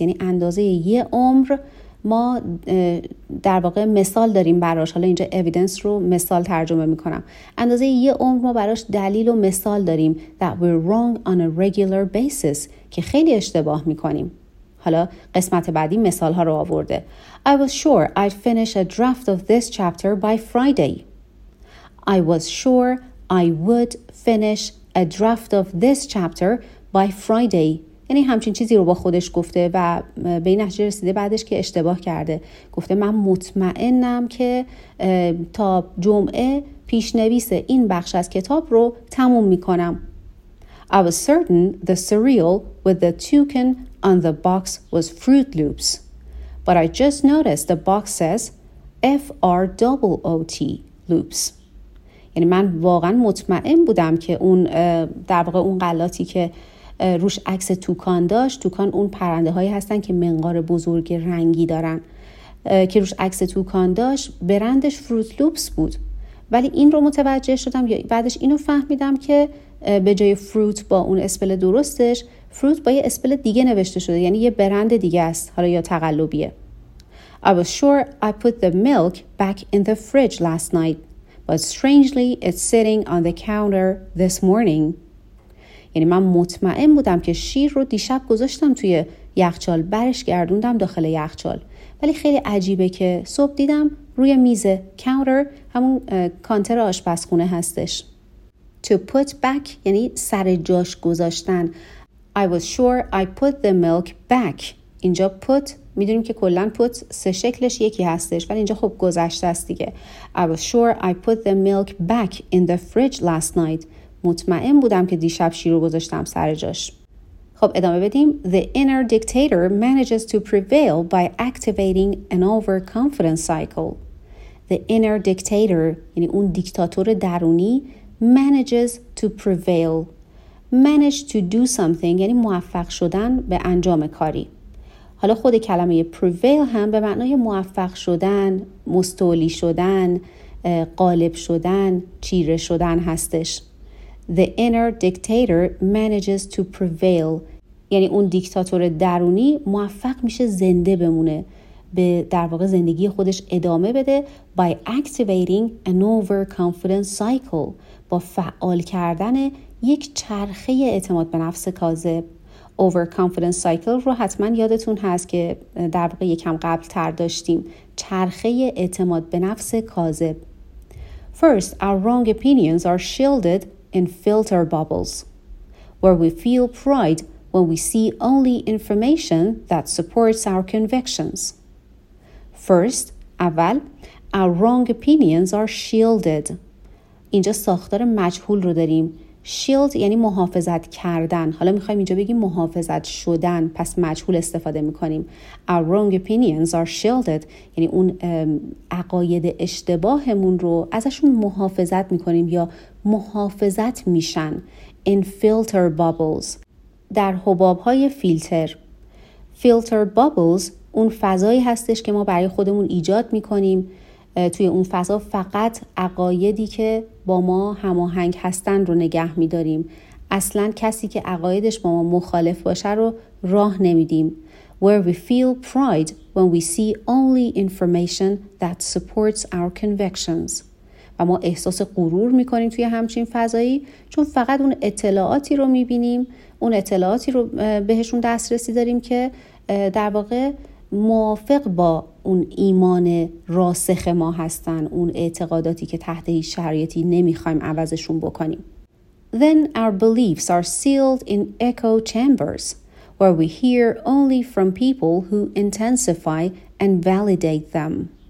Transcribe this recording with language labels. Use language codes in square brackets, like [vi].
[fa] یعنی اندازه یه عمر ما در واقع مثال داریم براش. حالا اینجا evidence رو مثال ترجمه میکنم. اندازه یه عمر ما براش دلیل و مثال داریم [en] that we're wrong on a regular basis [fa] که خیلی اشتباه میکنیم. حالا قسمت بعدی مثال ها رو آورده. [en] I was sure I'd finish a draft of this chapter by Friday. I was sure I would finish a draft of this chapter by Friday. [fa] یعنی همچین چیزی رو با خودش گفته و به این نتیجه رسیده بعدش که اشتباه کرده. گفته من مطمئنم که تا جمعه پیشنویس این بخش از کتاب رو تموم میکنم. [en] I was certain the cereal with the toucan on the box was Fruit Loops. But I just noticed the box says FROOT Loops. [fa] یعنی من واقعا مطمئن بودم که اون در واقع اون غلاتی که روش عکس توکان داشت، توکان اون پرنده هایی هستن که منقار بزرگ رنگی دارن، که روش عکس توکان داشت برندش فروت لوپس بود، ولی این رو متوجه شدم یا بعدش اینو فهمیدم که به جای فروت با اون اسپل درستش فروت با یه اسپل دیگه نوشته شده، یعنی یه برند دیگه است، حالا یا تقلبیه. [en] I was sure I put the milk back in the fridge last night, but strangely it's sitting on the counter this morning. [fa] یعنی من مطمئن بودم که شیر رو دیشب گذاشتم توی یخچال، برش گردوندم داخل یخچال، ولی خیلی عجیبه که صبح دیدم روی میز کانتر، همون کانتر آشپزخونه هستش. [en] To put back [fa] یعنی سر جاش گذاشتن. [en] I was sure I put the milk back. [fa] اینجا put، میدونیم که کلن put سه شکلش یکی هستش، ولی اینجا خب گذشته است دیگه. [en] I was sure I put the milk back in the fridge last night. [fa] مطمئن بودم که دیشب شیر رو گذاشتم سر جاش. خب ادامه بدیم. [en] The inner dictator manages to prevail by activating an overconfidence cycle. The inner dictator [fa] یعنی اون دیکتاتور درونی [en] manages to prevail. Manage to do something [fa] یعنی موفق شدن به انجام کاری. حالا خود کلمه prevail هم به معنای موفق شدن، مستولی شدن، غالب شدن، چیره شدن هستش. [en] The inner dictator manages to prevail. [fa] یعنی اون دیکتاتور درونی موفق میشه زنده بمونه، به در واقع زندگی خودش ادامه بده. [en] By activating an overconfidence cycle. [fa] با فعال کردن یک چرخه اعتماد به نفس کاذب. [en] Overconfidence cycle [fa] رو حتما یادتون هست که در واقع یکم قبل تر داشتیم. چرخه اعتماد به نفس کاذب. [en] First, our wrong opinions are shielded in filter bubbles, where we feel pride when we see only information that supports our convictions. First, اول, our wrong opinions are shielded. [fa] اینجا ساختار مجهول رو داریم. Shield یعنی محافظت کردن. حالا میخوایم اینجا بگیم محافظت شدن، پس مجهول استفاده میکنیم. [en] Our wrong opinions are shielded. [fa] یعنی اون عقاید اشتباهمون رو ازشون محافظت میکنیم یا محافظت میشن. [en] In filter bubbles. [fa] در حباب های فیلتر. [en] Filter bubbles [fa] اون فضایی هستش که ما برای خودمون ایجاد میکنیم. توی اون فضا فقط عقایدی که با ما هماهنگ هستن رو نگه می‌داریم. اصلاً کسی که عقایدش با ما مخالف باشه رو راه نمی‌دیم. [en] Where we feel pride when we see only information that supports our convictions. [fa] و ما احساس غرور می‌کنیم توی همچین فضایی چون فقط اون اطلاعاتی رو می‌بینیم، اون اطلاعاتی رو بهشون دسترسی داریم که در واقع موافق با اون ایمان راسخ ما هستن، اون اعتقاداتی که تحت هیچ شرایطی نمیخوایم عوضشون بکنیم. [en] Then our beliefs are sealed in echo chambers where we hear only from people who intensify and validate them.